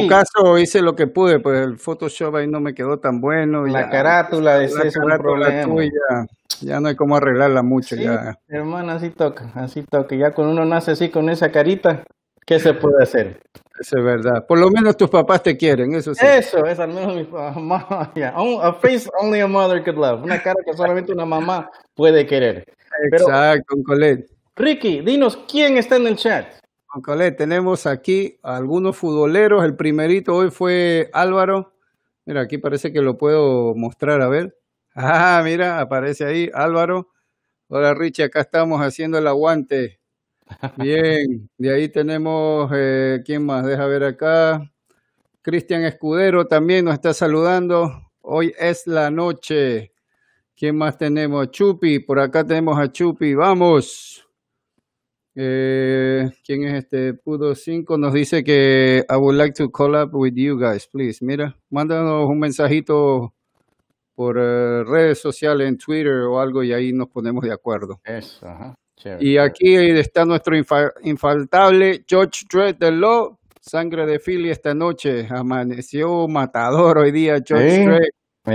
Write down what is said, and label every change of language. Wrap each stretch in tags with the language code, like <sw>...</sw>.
<es>en tu caso hice lo que pude, pues el Photoshop ahí no me quedó tan bueno. La ya, carátula de ese es un problema. Tuya, ya no hay cómo arreglarla mucho. Sí, ya. Hermana, así toca. Ya cuando uno nace así con esa carita, ¿qué se puede hacer? Eso es verdad. Por lo menos tus papás te quieren, eso sí. Eso, es al menos mi mamá.</es> <en>Yeah. A face only a mother could love.</en> <es>Una cara que solamente una mamá puede querer. Exacto, Colette. Ricky, dinos, ¿quién está en el chat? Uncle Ed, tenemos aquí a algunos futboleros. El primerito hoy fue Álvaro. Mira, aquí parece que lo puedo mostrar, a ver. Ah, mira, aparece ahí Álvaro. Hola, Richie, acá estamos haciendo el aguante. Bien, de ahí tenemos, ¿quién más? Deja ver acá. Cristian Escudero también nos está saludando. Hoy es la noche. ¿Quién más tenemos? Chupi, por acá tenemos a Chupi. Vamos. ¿Quién es este Pudo 5? Nos dice que</es> <en>I would like to collab with you guys, please.</en> <es>Mira, mándanos un mensajito por redes sociales, en Twitter o algo, y ahí nos ponemos de acuerdo. Eso, ajá. Chévere. Y aquí está nuestro infaltable George Dredd de Law, sangre de Philly esta noche. Amaneció matador hoy día, George Dredd.</es>